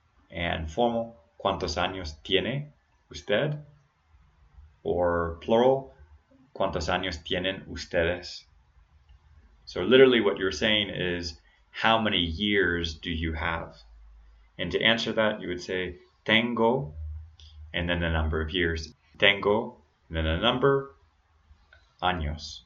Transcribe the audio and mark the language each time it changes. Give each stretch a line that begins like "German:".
English: And formal,
Spanish: ¿Cuántos años tiene usted?
English: Or plural,
Spanish: ¿Cuántos años tienen ustedes?
English: So literally what you're saying is, how many years do you have? And to answer that, you would say, tengo, and then the number of years. Tengo, and then a number, años.